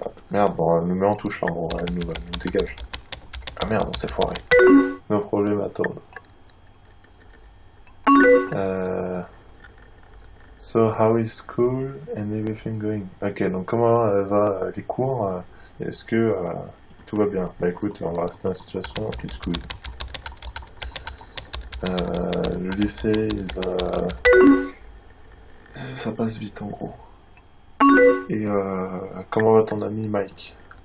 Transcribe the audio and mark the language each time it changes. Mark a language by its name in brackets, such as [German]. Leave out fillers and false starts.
[French] Merde, bon, elle nous met en touche, là, bon, elle nous dégage. Ah merde, on s'est foiré. Nos problèmes attendent. [English] So, how is school and everything going? [French] Ok, donc comment va les cours? Est-ce que tout va bien? Bah écoute, on va rester dans la situation. [English] It's good. [French] Le lycée, ça passe vite en gros. Et comment va ton ami Mike?